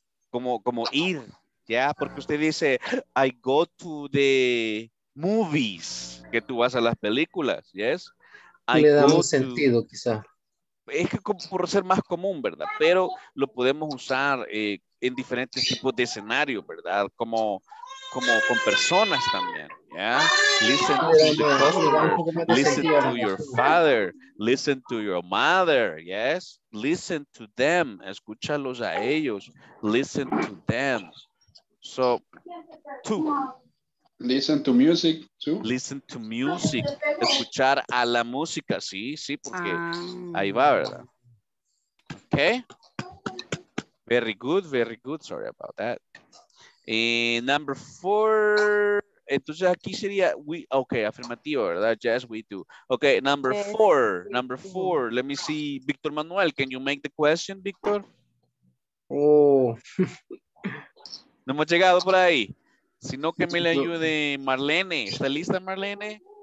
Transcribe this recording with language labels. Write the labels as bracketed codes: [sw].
[es] Como ir, ¿ya? Porque usted dice, [en] I go to the movies, [es] que tú vas a las películas, ¿yes? Le damos sentido, quizá. Es que como por ser más común, ¿verdad? Pero lo podemos usar en diferentes tipos de escenarios, ¿verdad? Como con personas también, ¿ya? [en] Listen to the customer, listen to your father, listen to your mother, ¿yes? Listen to them, [es] escúchalos a ellos, [en] listen to them. So, two. Listen to music, too. Listen to music, [es] escuchar a la música, sí, porque ahí va, ¿verdad? [en] Okay. Very good, sorry about that. Number four, [es] entonces aquí sería, afirmativo, ¿verdad? [en] Yes, we do. Okay, number four, let me see, Victor Manuel, can you make the question, Victor? Oh. [es] No hemos llegado por ahí, sino que me le ayude Marlene, ¿está lista Marlene?